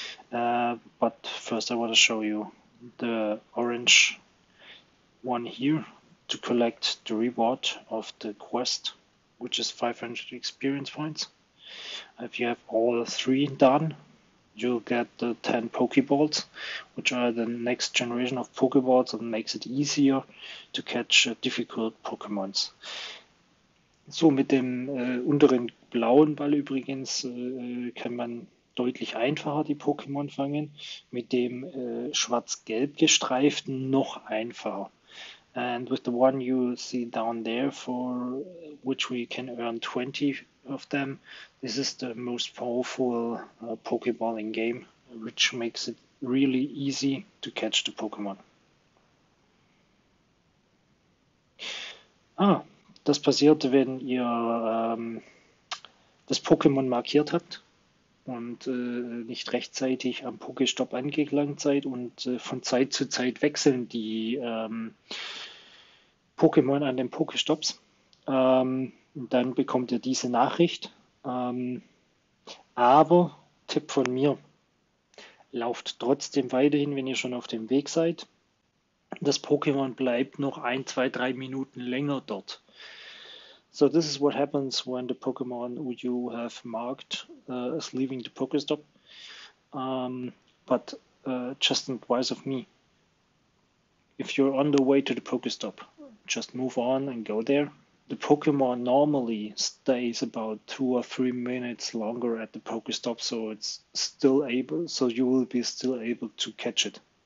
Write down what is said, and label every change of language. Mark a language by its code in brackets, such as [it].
[en] But first, I want to show you the orange one here to collect the reward of the quest, which is 500 experience points. If you have all three done, you'll get the 10 Pokeballs, which are the next generation of Pokeballs and makes it easier to catch difficult Pokémons. [de] So, mit dem unteren blauen Ball übrigens kann man deutlich einfacher die Pokémon fangen. Mit dem schwarz-gelb gestreiften noch einfacher. [en] And with the one you see down there, for which we can earn 20 of them, this is the most powerful Pokeball in game, which makes it really easy to catch the Pokémon. Ah. [de] Das passiert, wenn ihr das Pokémon markiert habt und nicht rechtzeitig am Pokéstopp angelangt seid und von Zeit zu Zeit wechseln die Pokémon an den Pokéstopps. Dann bekommt ihr diese Nachricht. Aber Tipp von mir: Lauft trotzdem weiterhin, wenn ihr schon auf dem Weg seid. Das Pokémon bleibt noch ein, zwei, drei Minuten länger dort. [en] So this is what happens when the Pokemon you have marked is leaving the Pokestop. But just advice of me, if you're on the way to the Pokestop, just move on and go there. The Pokemon normally stays about 2 or 3 minutes longer at the Pokestop, so it's still able, so you will be still able to catch it.